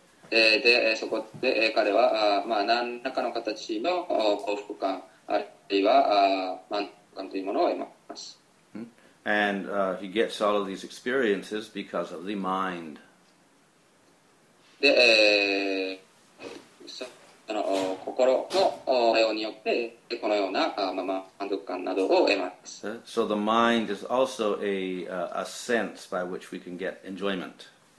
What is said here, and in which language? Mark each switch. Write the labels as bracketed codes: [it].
[ja] でそこで彼は、まあ、何らかの形の幸福感あるいは満足感というものを得ます。 [en] And he gets all of these experiences because of the mind. [ja] で、その心の作用によってこのような満足感などを得ます。 [en] So the mind is also a sense by which we can get enjoyment.